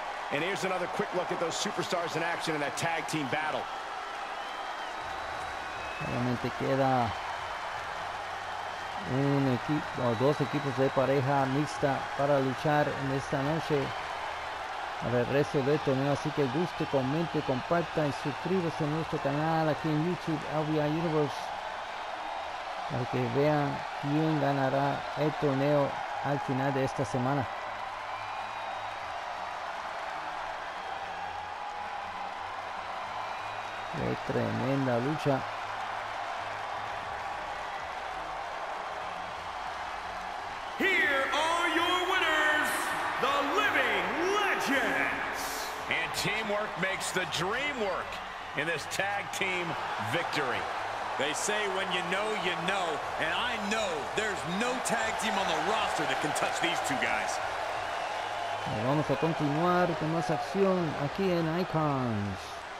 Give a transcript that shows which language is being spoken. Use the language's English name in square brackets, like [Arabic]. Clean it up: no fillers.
[English] And here's another quick look at those superstars in action in that tag team battle. [Spanish] Solamente queda un equipo, dos equipos de pareja mixta para luchar en esta noche. A ver, resto de torneo, así que guste, comente, comparta y suscríbase a nuestro canal aquí en YouTube, LVI Universe, para que vean quién ganará el torneo al final de esta semana. Qué tremenda lucha. [English] Here are your winners, the living legends. And teamwork makes the dream work in this tag team victory. They say when you know, you know. And I know there's no tag team on the roster that can touch these two guys. [Spanish] Vamos a continuar con más acción aquí en Icons.